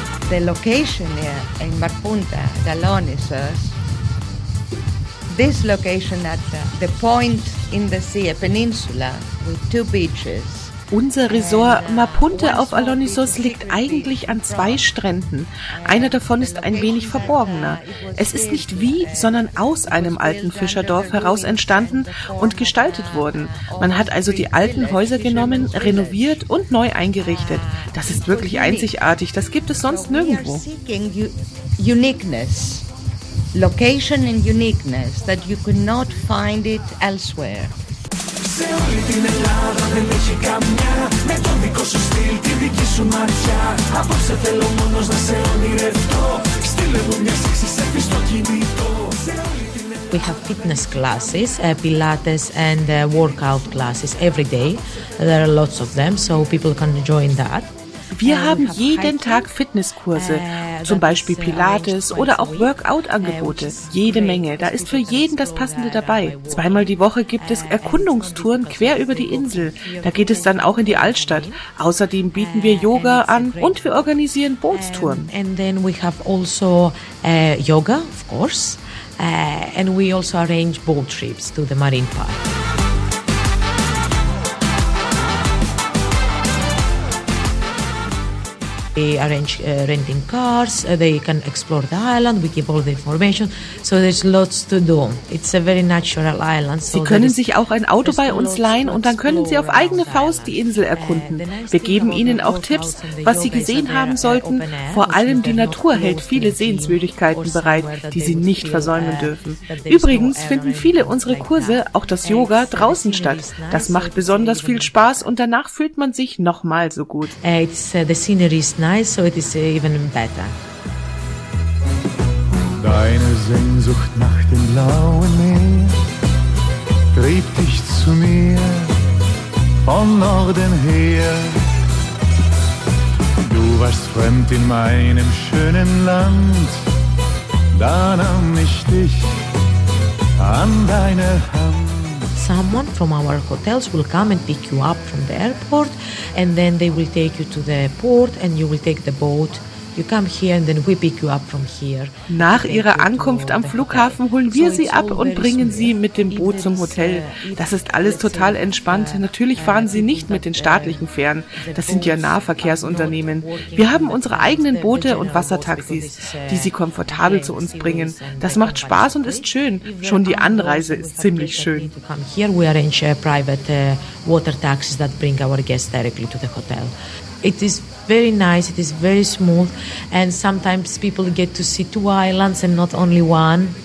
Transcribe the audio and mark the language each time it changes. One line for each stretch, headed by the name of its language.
English: The location here in Marpunta, Alornissos, this location at the point in the sea, a peninsula with two beaches.
German: Unser Resort Marpunta auf Alornissos liegt eigentlich an zwei Stränden. Einer davon ist ein wenig verborgener. Es ist nicht wie, sondern aus einem alten Fischerdorf heraus entstanden und gestaltet worden. Man hat also die alten Häuser genommen, renoviert und neu eingerichtet. Das ist wirklich einzigartig, das gibt es sonst nirgendwo.
English: Uniqueness, location and uniqueness that you could not find it elsewhere. We have fitness classes, Pilates and workout classes every day. There are lots of them, so people can join that.
German: Wir haben jeden Tag Fitnesskurse, zum Beispiel Pilates oder auch Workout-Angebote. Jede Menge, da ist für jeden das Passende dabei. Zweimal die Woche gibt es Erkundungstouren quer über die Insel. Da geht es dann auch in die Altstadt. Außerdem bieten wir Yoga an und wir organisieren Bootstouren.
English: And then we have also Yoga, of course, and we also arrange boat trips to the marine park. We arrange renting cars, they can explore the island, we give all the information, so there's lots to do. It's a very natural island.
German: Sie können sich auch ein Auto bei uns leihen und dann können Sie auf eigene Faust die Insel erkunden. Wir geben Ihnen auch Tipps, was Sie gesehen haben sollten. Vor allem die Natur hält viele Sehenswürdigkeiten bereit, die Sie nicht versäumen dürfen. Übrigens finden viele unsere Kurse, auch das Yoga, draußen statt. Das macht besonders viel Spaß und danach fühlt man sich nochmal so gut.
English: The scenery is nice, so it is even better.
German: Deine Sehnsucht nach dem blauen Meer trieb dich zu mir von Norden her. warst fremd in meinem schönen Land. Da nahm ich dich an deine Hand.
English: Someone from our hotels will come and pick you up from the airport, and then they will take you to the port and you will take the boat. You come here and then we pick you up from here.
German: Nach ihrer Ankunft am Flughafen holen wir sie ab und bringen sie mit dem Boot zum Hotel. Das ist alles total entspannt. Natürlich fahren sie nicht mit den staatlichen Fähren. Das sind ja Nahverkehrsunternehmen. Wir haben unsere eigenen Boote und Wassertaxis, die sie komfortabel zu uns bringen. Das macht Spaß und ist schön. Schon die Anreise ist ziemlich schön.
English: Here we arrange private water taxis that bring our guests directly to the hotel. It is very nice, it is very smooth, and sometimes people get to see two islands and not only one.